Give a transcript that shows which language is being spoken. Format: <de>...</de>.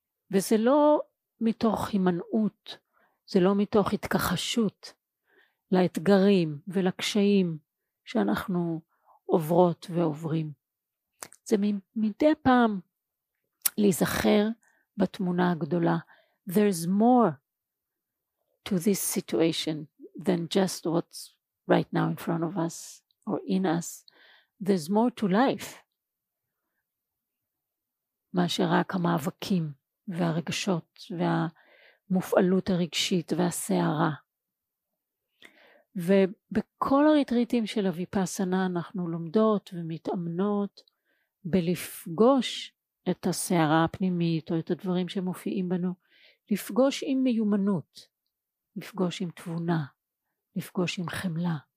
<he>וזה לא מתוך הימנעות, זה לא מתוך התכחשות לאתגרים ולקשיים שאנחנו עוברות ועוברים. זה מדי פעם להיזכר בתמונה הגדולה.</he> <en>There's more to this situation than just what's right now in front of us or in us. There's more to life</en> <he>מאשר רק המאבקים והרגשות והמופעלות הרגשית והסערה. ובכל הריטריטים של הויפאסנה אנחנו לומדות ומתאמנות בלפגוש את הסערה הפנימית או את הדברים שמופיעים בנו, לפגוש עם מיומנות, לפגוש עם תבונה, לפגוש עם חמלה.</he>